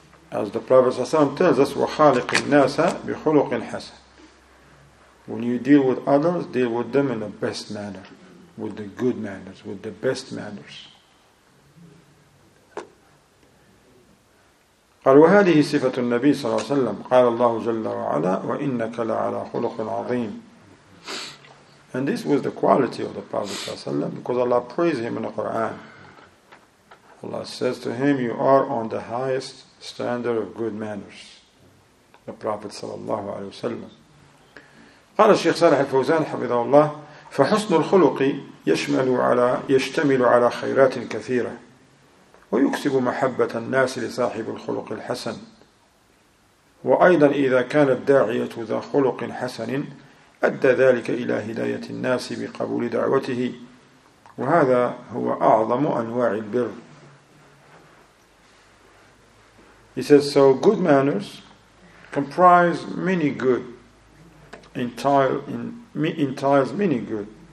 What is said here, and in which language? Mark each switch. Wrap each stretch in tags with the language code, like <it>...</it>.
<en>As the Prophet ﷺ tells us,</en> <ar>وَخَالِقِ النَّاسَ بِخُلُقٍ حَسَنٍ.</ar> <en>When you deal with others, deal with them in the best manner, with the good manners, with the best manners.</en> <ar>قال وهذه صفة النبي صلى الله عليه وسلم قال الله جل وعلا وإنك لعلى خلق عظيم.</ar> <en>And this was the quality of the Prophet</en> <ar>صلى الله عليه وسلم,</ar> <en>because Allah praised him in the Quran. Allah says to him, you are on the highest standard of good manners, the Prophet</en> <ar>صلى الله عليه وسلم. قال الشيخ صالح الفوزان حفظه الله فحسن الخلق يشتمل على خيرات كثيرة ويكسب محبة الناس لصاحب الخلق الحسن. وأيضا إذا كان الداعية ذا خلق حسن أدى ذلك إلى هداية الناس بقبول دعوته, وهذا هو أعظم أنواع البر.</ar> <en>He says, so good manners comprise many good, entails many good.</en>